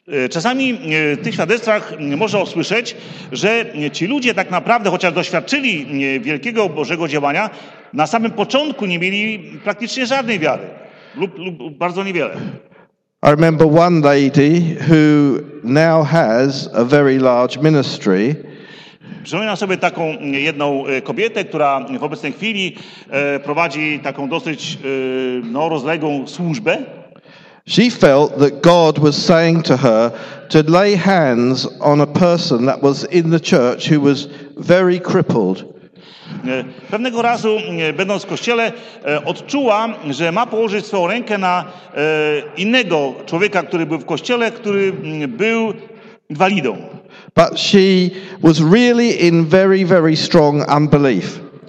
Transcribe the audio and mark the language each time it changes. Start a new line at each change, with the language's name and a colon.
Polish: Czasami w tych świadectwach można usłyszeć, że ci ludzie tak naprawdę, chociaż doświadczyli wielkiego Bożego działania, na samym początku nie mieli praktycznie żadnej wiary lub bardzo niewiele.
English: I remember one lady who now has a very large ministry.
Polish: Przypominam sobie taką jedną kobietę, która w obecnej chwili prowadzi taką dosyć rozległą służbę.
English: She felt that God was saying to her to lay hands on a person that was in the church who was very crippled.
Polish: Pewnego razu, będąc w kościele, odczuła, że ma położyć swoją rękę na innego człowieka, który był w kościele, który był inwalidą.
English: But she was really in very, very strong unbelief.